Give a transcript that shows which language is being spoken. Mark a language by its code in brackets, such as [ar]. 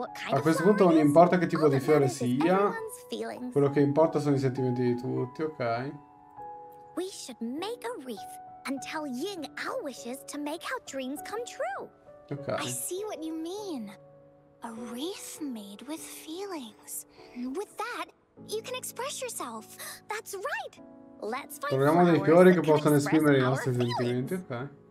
[it] A questo punto non importa che tipo di fiore sia, quello che importa sono i sentimenti di tutti, ok? [en] We should make a wreath and tell Ying our wishes to make our dreams come true. Ok. I see what you mean. A wreath made with feelings. With that, you can express yourself. That's right. Let's find [it] troviamo dei fiori che possono esprimere i nostri sentimenti, ok?